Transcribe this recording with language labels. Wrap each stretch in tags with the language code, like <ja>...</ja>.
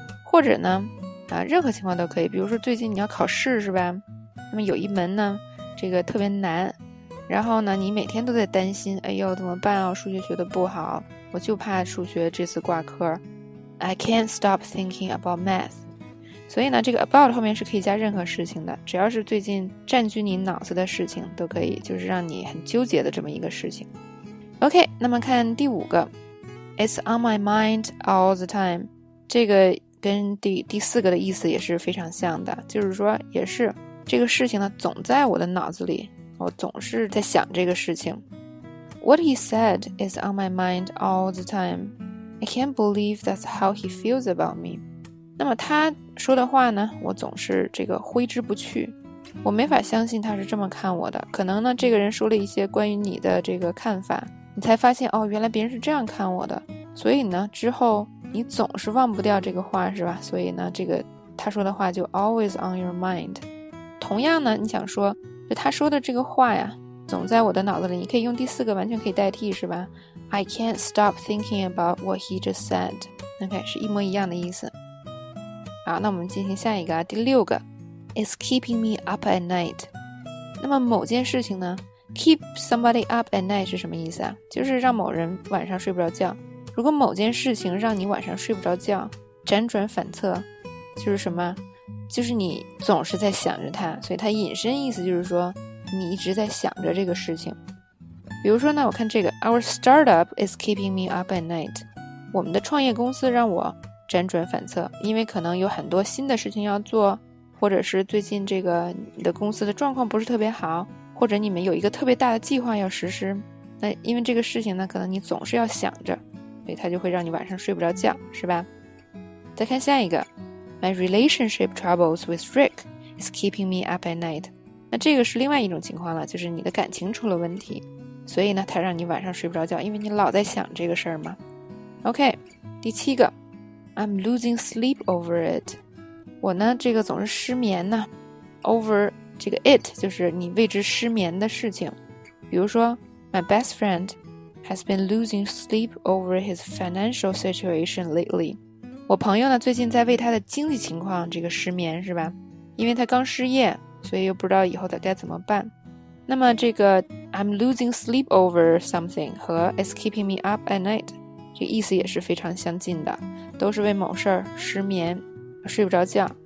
<zh>或者呢任何情况都可以，比如说最近你要考试是吧，那么有一门呢这个特别难，然后呢你每天都在担心，哎呦怎么办啊，数学学得不好，我就怕数学这次挂科，</zh> <en>I can't stop thinking about math。</en> <zh>所以呢这个 about 后面是可以加任何事情的，只要是最近占据你脑子的事情都可以，就是让你很纠结的这么一个事情。</zh> <en>OK， 那么看第五个， It's on my mind all the time。</en> <zh>这个跟第四个的意思也是非常像的，就是说也是这个事情呢总在我的脑子里，我总是在想这个事情。</zh> <en>What he said is on my mind all the time. I can't believe that's how he feels about me。</en> <zh>那么他说的话呢我总是这个挥之不去，我没法相信他是这么看我的，可能呢这个人说了一些关于你的这个看法，你才发现哦原来别人是这样看我的，所以呢之后你总是忘不掉这个话是吧，所以呢这个他说的话就</zh> <en>always on your mind。</en> <zh>同样呢你想说就他说的这个话呀总在我的脑子里，你可以用第四个完全可以代替是吧，</zh> <en>I can't stop thinking about what he just said。</en> <zh>OK， 是一模一样的意思。好，那我们进行下一个，第六个，</zh> <en>It's keeping me up at night。</en> <zh>那么某件事情呢，</zh> <en>keep somebody up at night</en> <zh>是什么意思啊，就是让某人晚上睡不着觉，如果某件事情让你晚上睡不着觉，辗转反侧，就是什么？就是你总是在想着它。所以它引申意思就是说，你一直在想着这个事情。</zh> <en>比如说呢，我看这个 ，Our startup is keeping me up at night。</en> <zh>我们的创业公司让我辗转反侧，因为可能有很多新的事情要做，或者是最近这个你的公司的状况不是特别好，或者你们有一个特别大的计划要实施，那因为这个事情呢，可能你总是要想着，所以它就会让你晚上睡不着觉，是吧？</zh> <en>再看下一个 ，My relationship troubles with Rick is keeping me up at night。</en> <zh>那这个是另外一种情况了，就是你的感情出了问题，所以呢，它让你晚上睡不着觉，因为你老在想这个事儿嘛。</zh> <en>OK， 第七个 ，I'm losing sleep over it。</en> <zh>我呢，这个总是失眠呢 ，over 这个 it 就是你为之失眠的事情。</zh> <en>比如说 ，My best friend has been losing sleep over his financial situation lately。</en> <zh>我朋友呢，最近在为他的经济情况这个失眠，是吧？因为他刚失业，所以又不知道以后该怎么办。那么这个</zh> <en>I'm losing sleep over something</en> <zh>和</zh> <en>It's keeping me up at night</en> <zh>这个意思也是非常相近的，都是为某事儿失眠，睡不着觉。</zh>